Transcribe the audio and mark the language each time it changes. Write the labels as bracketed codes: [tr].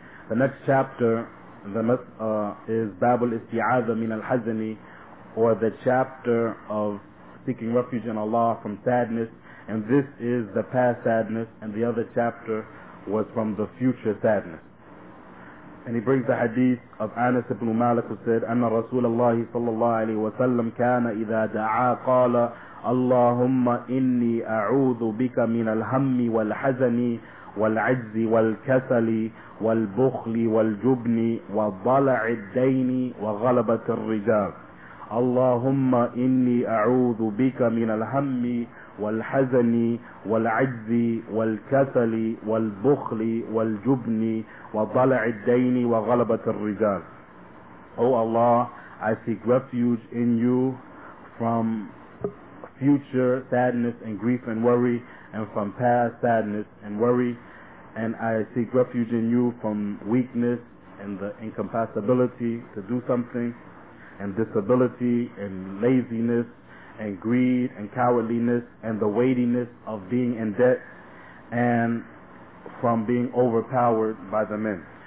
[en] The next chapter, the is Babul Isti'adha min al-Hazani, or the chapter of seeking refuge in Allah from sadness, and this is the past sadness, and the other chapter was from the future sadness. And he brings the hadith of Anas ibn Malik, who said, [ar] أن رسول الله صلى الله عليه وسلم كان إذا دعا قال اللهم إني أعوذ بك من الهم والحزن والعجز والكسل والبخل والجبن وضلع الدين وغلبة الرجال. اللهم إني أعوذ بك من الهم والحزن والعجز والكسل والبخل والجبن وضلع الدين وغلبة الرجال. [en] O Allah, I seek refuge in you from future sadness and grief and worry, and from past sadness and worry, and I seek refuge in you from weakness and the incapacity to do something, and disability and laziness and greed and cowardliness and the weightiness of being in debt and from being overpowered by the men.